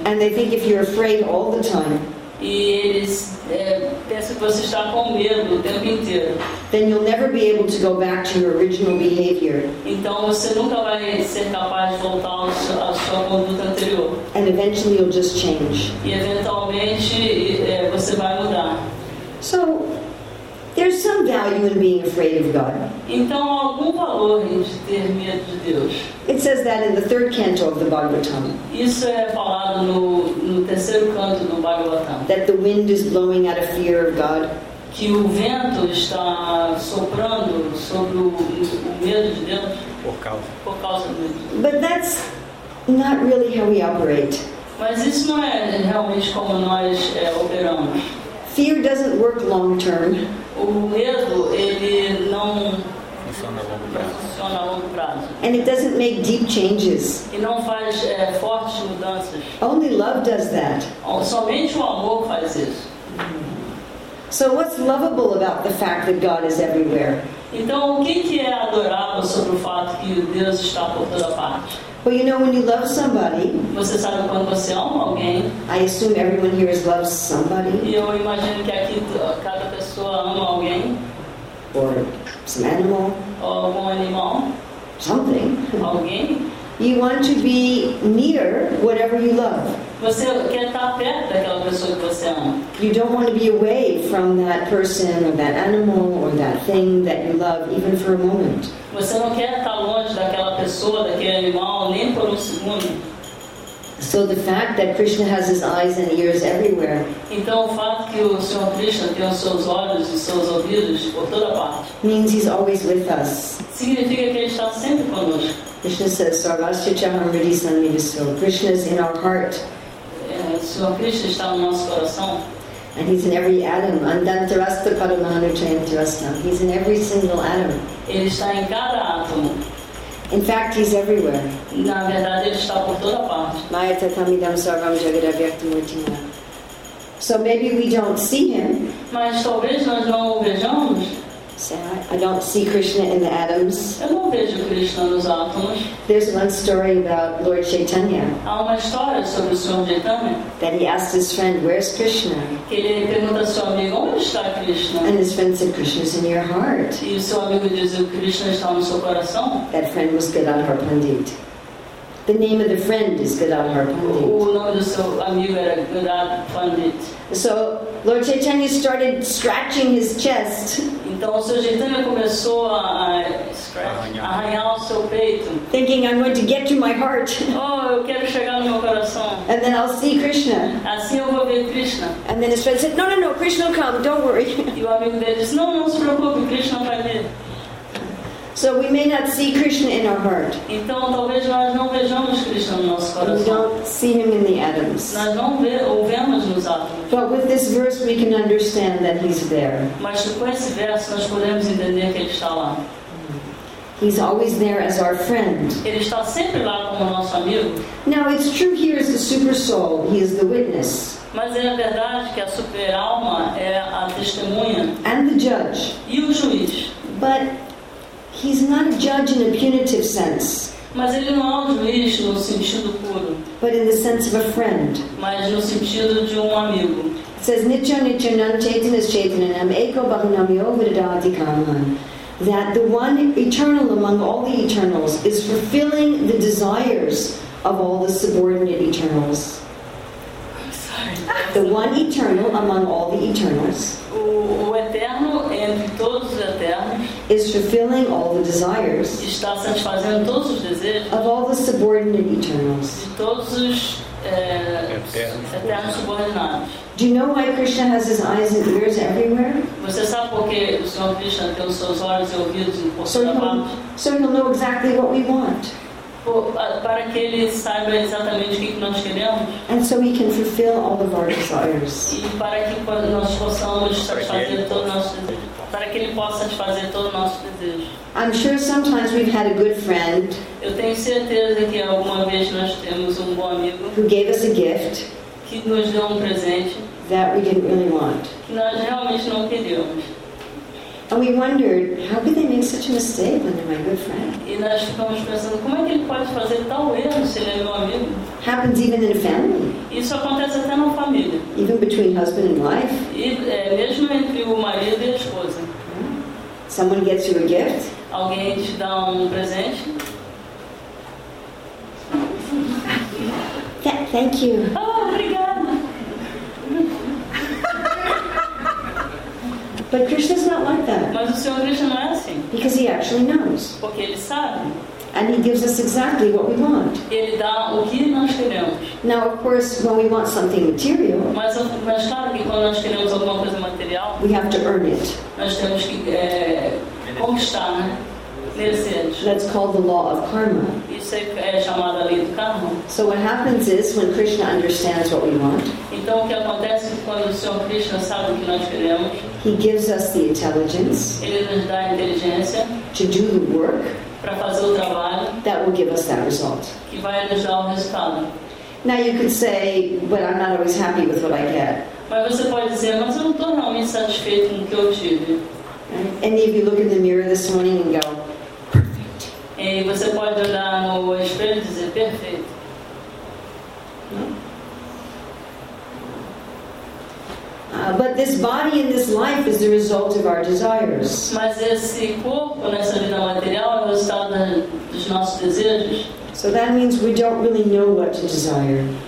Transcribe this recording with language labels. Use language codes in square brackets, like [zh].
[en] And they think if you're afraid all the time. [pt] E eles pensam que você está com medo o tempo inteiro. [en] Then you'll never be able to go back to your original behavior. [pt] Então você nunca vai ser capaz de voltar à sua conduta anterior. [en] And eventually you'll just change. [pt] E eventualmente você vai mudar. [en] So there's some value in being afraid of God. [pt] Então há algum valor em ter medo de Deus. [en] It says that in the third canto of the Bhagavatam. [pt] Isso é falado no terceiro canto do Bhagavatam. [en] That the wind is blowing out of fear of God. [pt] Que o vento está soprando sobre o medo de Deus. Por causa do medo. [en] But that's not really how we operate. [pt] Mas isso não é realmente como nós operamos. [en] Fear doesn't work long term. [pt] O medo, ele não funciona a longo prazo. Funciona a longo prazo. [en] And it doesn't make deep changes. [pt] E não faz fortes mudanças. [en] Only love does that. [pt] Somente o amor faz isso. [en] So what's lovable about the fact that God is everywhere? [pt] Então o que é adorável sobre o fato que Deus está por toda parte? [en] Well, you know, when you love somebody, [pt] você sabe quando você ama alguém, [en] I assume everyone here loves somebody. [pt] E eu imagino que aqui cada pessoa ama alguém. [en] Or some animal. [pt] Ou algum animal. [en] Something. [pt] Alguém. [en] You want to be near whatever you love. [pt] Você quer estar perto daquela pessoa que você ama. [en] You don't want to be away from that person or that animal or that thing that you love, even for a moment. [pt] Você não quer estar longe daquela pessoa, daquele animal, nem por segundo. [en] So the fact that Krishna has his eyes and ears everywhere. [pt] Então o fato que o Senhor Krishna tem os seus olhos e seus ouvidos por toda parte. [en] Means he's always with us. [pt] Significa que ele está sempre conosco. [en] Krishna says, [sa] Sarvastya Chaham Ridhi Sannidhisto. [en] Krishna is in our heart. [pt] Sua Krishna está no nosso coração. [en] And he's in every atom. [sa] Andantarastha Padamanuchayantarastha. [en] He's in every single atom. [pt] Ele está em cada átomo. [en] In fact, he's everywhere. [pt] Na verdade, ele está por toda parte. [sa] Maya Tatamidam Sarvam Jagadavyaktamurtina. [en] So maybe we don't see him. [pt] Mas talvez nós não o vejamos. [en] I don't see Krishna in the atoms. [pt] Eu não vejo Krishna nos átomos. [en] There's one story about Lord Chaitanya. [pt] Há uma história sobre o Senhor Chaitanya. [en] That he asked his friend, "Where's Krishna?" [pt] Que ele pergunta ao seu amigo, onde está Krishna? [en] And his friend said, "Krishna's in your heart." [pt] E o seu amigo diz, Krishna está no seu coração. [en] That friend was Gadadhar Pandit. The name of the friend is Gadadhar Pandit. [pt] O nome do seu amigo era Gadadhar Pandit. [en] So Lord Chaitanya started scratching his chest. [pt] Então o Sr. Chaitanya começou a arranhar o seu peito. [en] Thinking, I'm going to get to my heart. [pt] Oh, eu quero chegar no meu coração. [en] And then I'll see Krishna. [pt] Assim eu vou ver Krishna. [en] And then his friend said, no, no, no, Krishna will come, don't worry. [pt] E o amigo dele disse, não, não se preocupe, Krishna vai vir. [en] So we may not see Krishna in our heart. [pt] Então talvez nós não vejamos Krishna no nosso coração. [en] We don't see him in the atoms. [pt] Nós não vemos nos átomos. [en] But with this verse we can understand that he's there. [pt] Mas com esse verso nós podemos entender que ele está lá. [en] He's always there as our friend. [pt] Ele está sempre lá como nosso amigo. [en] Now it's true here is the super soul. He is the witness. [pt] Mas é a verdade que a super alma é a testemunha. [en] And the judge. [pt] E o juiz. [en] But he's not a judge in a punitive sense. [pt] Mas ele não é um juiz no sentido puro. [en] But in the sense of a friend. [pt] Mas no sentido de um amigo. [en] It says, [sa] Nitya Nitya Nam Chaitanas Chaitananam Eko Bhaknam Yogadadi Kaman. [en] That the one eternal among all the eternals is fulfilling the desires of all the subordinate eternals. The one eternal among all the eternals. [pt] O eterno entre todos os eternos. [en] Is fulfilling all the desires. [pt] Está satisfazendo todos os desejos. [en] Of all the subordinate eternals. [pt] De todos os eternos subordinados. [en] Do you know why Krishna has his eyes and ears everywhere? [pt] Você sabe por que o Senhor Krishna tem os seus olhos e ouvidos em toda parte? [en] So he'll know exactly what we want. [pt] Para que ele saiba exatamente o que nós queremos. [en] And so we can fulfill all of our desires. [pt] E para que nós possamos satisfazer todo o nosso desejo. Para que ele possa satisfazer todo o nosso desejo. [en] I'm sure sometimes we've had a good friend. [pt] Eu tenho certeza que alguma vez nós temos um bom amigo. [en] Who gave us a gift. [pt] Que nos deu um presente. [en] That we didn't really want. [pt] Que nós realmente não queríamos. [en] And we wondered, how could they make such a mistake when they're my good friend? [pt] E nós ficamos pensando, como é que ele pode fazer tal erro se ele é meu amigo? [en] Happens even in a family. [pt] Isso acontece até na família. [en] Even between husband and wife. [pt] E mesmo entre o marido e a esposa. [en] Someone gets you a gift. [pt] Alguém te dá presente. [en] Thank you. [pt] Oh, obrigada. [en] But Krishna's not like that. [pt] Mas o Senhor Krishna não é assim. [en] Because he actually knows. [pt] Porque ele sabe. [en] And he gives us exactly what we want. [pt] Ele dá o que nós queremos. [en] Now, of course, when we want something material, [pt] mas claro que quando nós queremos alguma coisa material, [en] we have to earn it. [pt] Nós temos que conquistar, né? [en] That's called the law of karma. [pt] Isso é chamada lei do karma. [en] So what happens is when Krishna understands what we want. [pt] Então o que acontece quando o Senhor Krishna sabe o que nós queremos? [en] He gives us the intelligence. [pt] Ele nos dá a inteligência. [en] To do the work. [pt] Para fazer o trabalho. [en] That will give us that result. [pt] Que vai nos dar o resultado. [en] Now you could say, but I'm not always happy with what I get. [pt] Mas você pode dizer, mas eu não estou realmente satisfeito com o que eu tive. [en] Any of you look in the mirror this morning and go, [pt] e você pode olhar no espelho e dizer, perfeito. [en] But this body and this life is the result of our desires. [pt] Mas esse corpo nessa vida material é o resultado dos nossos desejos. [en] So that means we don't really know what to desire.